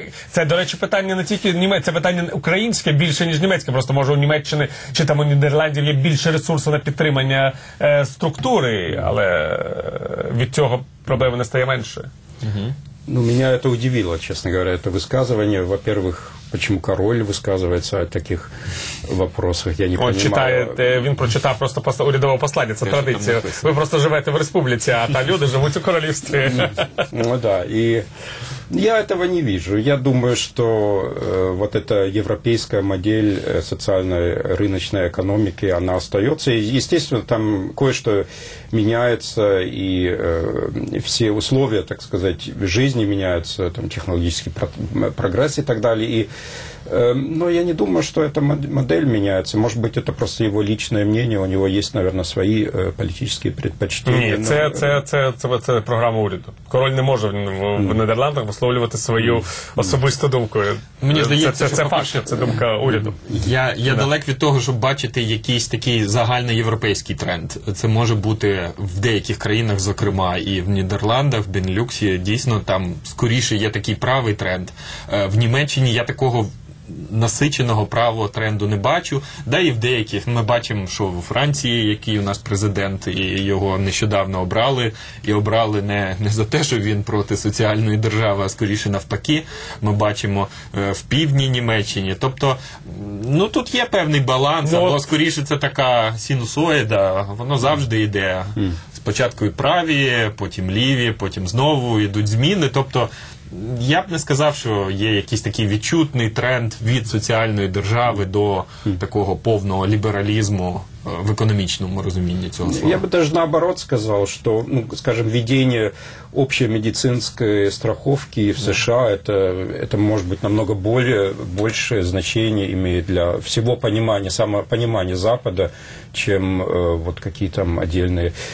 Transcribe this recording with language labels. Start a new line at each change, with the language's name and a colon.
Ukrainian: Це, до речі, питання не тільки німецьке, це питання українське більше, ніж німецьке. Просто, може, у Німеччини чи там у Нідерландів є більше ресурсу на підтримання структури, але від цього проблеми не стає менше.
Russian: Ну, меня это удивило, честно говоря, это высказывание. Во-первых, почему король высказывается о таких вопросах, я не понимаю. Он читает,
Ukrainian: він прочитав просто урядового послання, це традиція. Ви просто живете в республіці, а там люди живуть у королівстві.
Russian: Ну, да, Я этого не вижу. Я думаю, что вот эта европейская модель социальной рыночной экономики, она остается. И, естественно, там кое-что меняется, и все условия, так сказать, жизни меняются, там технологический прогресс и так далее. И, но я не думаю, что эта модель меняется. Может быть, это просто его личное мнение. У него есть, наверное, свои политические предпочтения.
Ukrainian: Ні, це програма уряду. Король не може в Нідерландах висловлювати свою особисту думку. Мені здається, це факт, це думка уряду. Я далек від того, щоб бачити якийсь такий загальноєвропейський тренд. Це може бути в деяких країнах, зокрема, і в Нідерландах, в Бенлюксі, дійсно, там скоріше є такий правий тренд. В Німеччині я такого насиченого правого тренду не бачу. Да і в деяких. Ми бачимо, що в Франції, який у нас президент, і його нещодавно обрали. І обрали не за те, що він проти соціальної держави, а скоріше навпаки. Ми бачимо в півдні Німеччині. Тобто, ну тут є певний баланс, ну, або скоріше це така синусоїда. Воно завжди йде. Спочатку і праві, потім ліві, потім знову йдуть зміни. Тобто, я б не сказав, що є якийсь такий відчутний тренд від соціальної держави до такого повного лібералізму в економічному розумінні цього слова. Я б теж наоборот сказав, що, ну, скажімо, введення
Russian: общей медицинской страховки в США, это может быть намного большее значение имеет для всего понимания, самопонимания Запада, чем вот какие-то там отдельные.